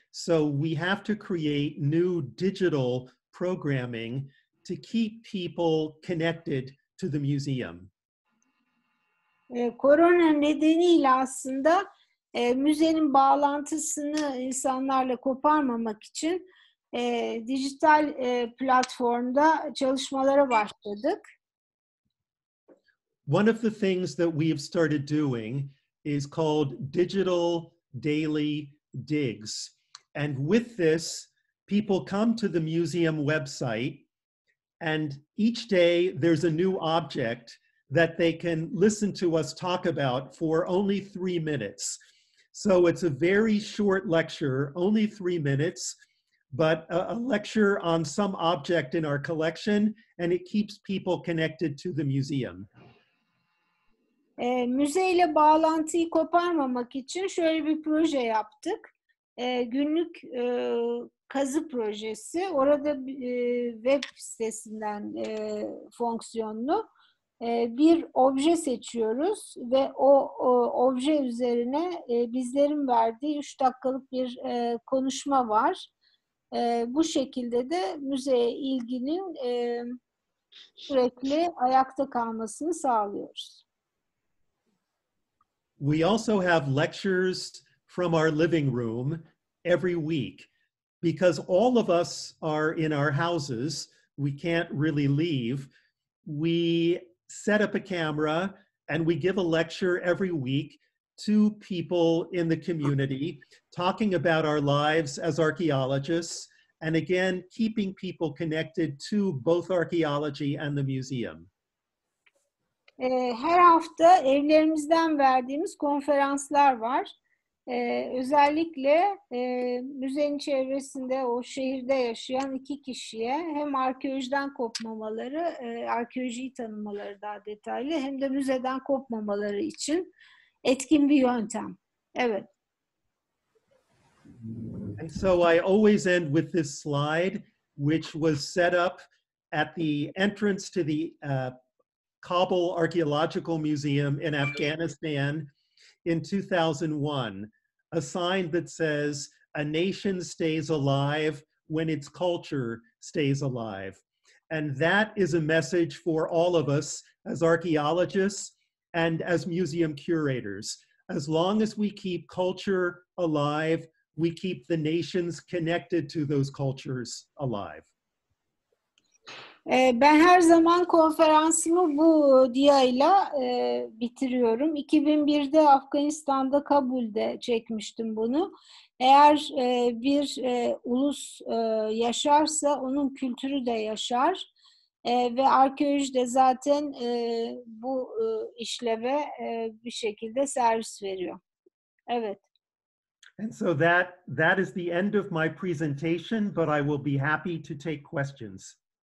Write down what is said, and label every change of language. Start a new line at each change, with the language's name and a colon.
English: So we have to create new digital programming to keep people connected to the museum.
Turkish: Korona nedeniyle aslında müzenin bağlantısını insanlarla koparmamak için dijital platformda çalışmalara başladık.
English: One of the things that we have started doing is called Digital Daily Digs. And with this, people come to the museum website, and each day there's a new object that they can listen to us talk about for only 3 minutes. So it's a very short lecture, only 3 minutes, but a lecture on some object in our collection, and it keeps people connected to the museum.
Turkish: Müzeyle bağlantıyı koparmamak için şöyle bir proje yaptık. Günlük kazı projesi. Orada web sitesinden fonksiyonlu bir obje seçiyoruz ve o obje üzerine bizlerin verdiği 3 dakikalık bir konuşma var. Bu şekilde de müzeye ilginin sürekli ayakta kalmasını sağlıyoruz.
English: We also have lectures from our living room every week because all of us are in our houses. We can't really leave. We set up a camera and we give a lecture every week to people in the community, talking about our lives as archaeologists and again, keeping people connected to both archaeology and the museum.
Turkish: Her hafta evlerimizden verdiğimiz konferanslar var. Özellikle müzenin çevresinde o şehirde yaşayan iki kişiye hem arkeolojiden kopmamaları, arkeolojiyi tanımaları daha detaylı hem de müzeden kopmamaları için etkin bir yöntem. Evet.
English: And so I always end with this slide, which was set up at the entrance to the Kabul Archaeological Museum in Afghanistan in 2001, a sign that says, a nation stays alive when its culture stays alive. And that is a message for all of us as archaeologists and as museum curators. As long as we keep culture alive, we keep the nations connected to those cultures alive.
Turkish: Ben her zaman konferansımı bu diyayla bitiriyorum. 2001'de Afganistan'da Kabul'de çekmiştim bunu. Eğer bir ulus yaşarsa onun kültürü de yaşar. Ve arkeoloji de zaten bu işleve bir şekilde servis veriyor. Evet.
English: And so that is the end of my presentation, but I will be happy to take questions.